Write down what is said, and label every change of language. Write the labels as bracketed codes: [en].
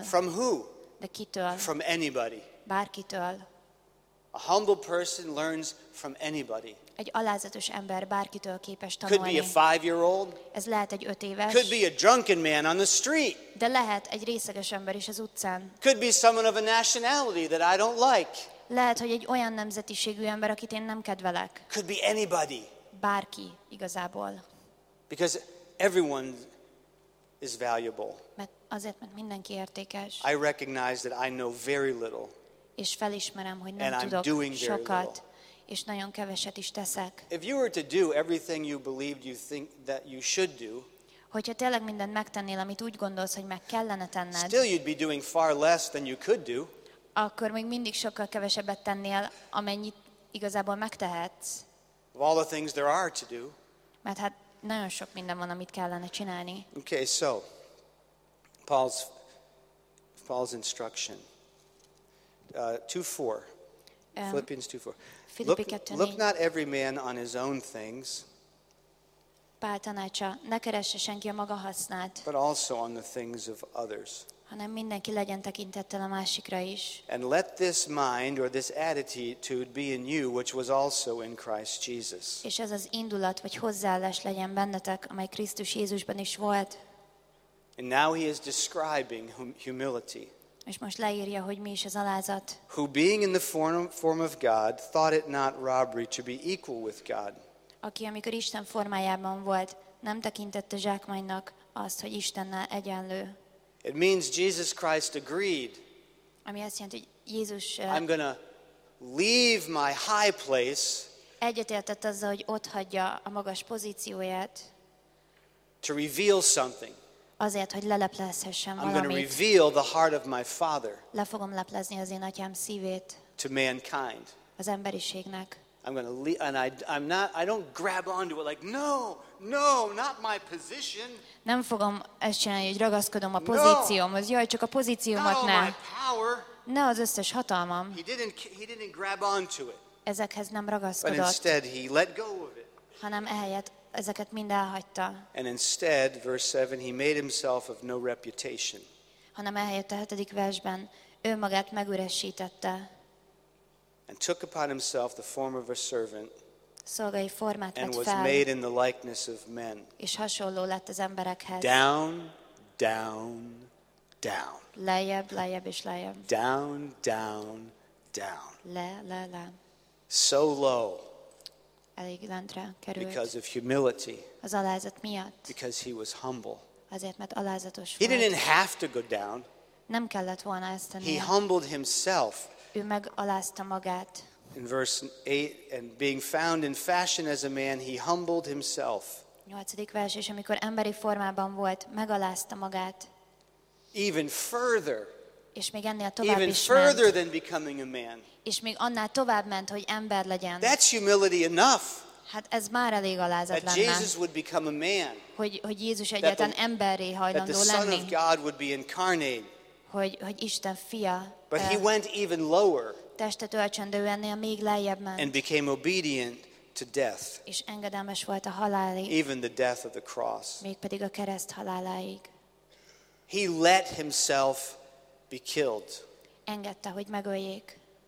[en] From who? [hu] De kitől? [en] From anybody. [hu] Bárkitől. [en] A humble person learns from anybody. [hu] Egy alázatos ember bárkitől képes tanulni. [en] Could be a 5-year-old. [hu] Ez lehet egy 5 éves. [en] Could be a drunken man on the street. [hu] De lehet egy részeges ember is az utcán. [en] Could be someone of a nationality that I don't like. [hu] Lehet, hogy egy olyan nemzetiségű ember, akit én nem kedvelek. [en] Could be anybody. [hu] Bárki igazából. [en] Because everyone is valuable. [hu] Mert azért, mert mindenki értékes. [en] I recognize that I know very little. [hu] És felismerem, hogy nem tudok sokat, és nagyon keveset is teszek. [en] If you were to do everything you believed you think that you should do, [hu] hogyha tényleg mindent megtennél, amit úgy gondolsz, hogy meg kellene tenned, [en] still you'd be doing far less than you could do. [hu] Akkor még mindig sokkal kevesebbet tennél, amennyit igazából megtehetsz. [en] Of all the things there are to do. [hu] Mert hát nagyon sok minden van, amit kellene csinálni. [en] Okay, so Paul's instruction. 2:4. Philippians 2:4. Look not every man on his own things. [hu] Pál tanácsa, ne keresse senki a maga hasznát. [en] But also on the things of others. [hu] Hanem mindenki legyen tekintettel a másikra is. [en] And let this mind or this attitude be in you, which was also in Christ Jesus. [hu] És ez az indulat vagy hozzáállás legyen bennetek, amely Krisztus Jézusban is volt. [en] And now he is describing humility. [hu] És most leírja, hogy mi is az alázat. [en] Who being in the form of God, thought it not robbery to be equal with God. [hu] Aki amikor Isten formájában volt, nem tekintette zsákmánynak azt, hogy Istennel egyenlő. [en] It means Jesus Christ agreed. [hu] Ami azt jelenti, hogy Jézus, [en] I'm going to leave my high place. [hu] Egyetértett azzal, hogy ott hagyja a magas pozícióját. [en] To reveal something. [hu] Azért, hogy leleplezhessem valamit. [en] I'm going to reveal the heart of my Father. [hu] Le fogom leplezni az én atyám szívét. [en] To mankind. [hu] Az emberiségnek. [en] I'm going to leave, and I don't grab onto it like no, not my position. [hu] Nem fogom ezt csinálni, hogy ragaszkodom a pozíciómhoz. Jaj, csak a pozíciómat ne. Ne az összes hatalmam. [en] He didn't grab onto it. [hu] Ezekhez nem ragaszkodott. [en] But instead he let go of it. [hu] Hanem ehelyett ezeket mind elhagyta. [en] And instead, verse 7, he made himself of no reputation. [hu] Hanem ehelyett a 7. versben ő magát megüresítette. [en] And took upon himself the form of a servant. [hu] Szolgai formát vett fel. [en] And was made in the likeness of men. [hu] És hasonló lett az emberekhez. [en] Down. [hu] Lejjebb és lejjebb. [en] Down. [hu] Le. [en] So low. [hu] Elég lentre került. [en] Because of humility. [hu] Az alázat miatt. [en] Because he was humble. [hu] Azért, mert alázatos volt. [en] He didn't have to go down. [hu] Nem kellett volna ezt tenni. [en] He humbled himself. [hu] Ő megalázta magát. [en] In verse 8, and being found in fashion as a man, he humbled himself. [hu] 8. vers, és amikor emberi formában volt, megalázta magát. [en] Even further. [hu] És még ennél tovább [en] even [hu] is ment. [en] Even further than becoming a man. [hu] És még annál tovább ment, hogy ember legyen. [en] That's humility enough. [hu] Hát ez már elég alázat lenne. [en] That Jesus would become a man. [hu] Hogy Jézus egyáltalán emberré hajlandó lenni. [en] That the Son of God would be incarnate. [hu] Hogy Isten fia. [en] But he went even lower. [hu] Testet ölcsöndő, ennél még lejjebb ment. [en] And became obedient to death. [hu] És engedelmes volt a halálig. [en] Even the death of the cross. [hu] Mégpedig a kereszt haláláig. [en] He let himself be killed. [hu] Engedte, hogy megöljék.